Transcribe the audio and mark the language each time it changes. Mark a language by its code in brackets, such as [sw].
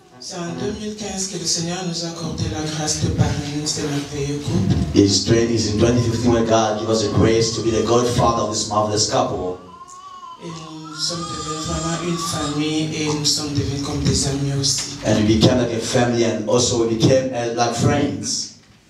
[fr] C'est en 2015 que le Seigneur nous a accordé la grâce de parrainer ce merveilleux couple. [en] It's in 2015 when God gave us the grace to be the godfather of this marvelous couple. [fr] Et nous sommes devenus vraiment une famille et nous sommes devenus comme des amis aussi. [en] And we became like a family and also we became like friends.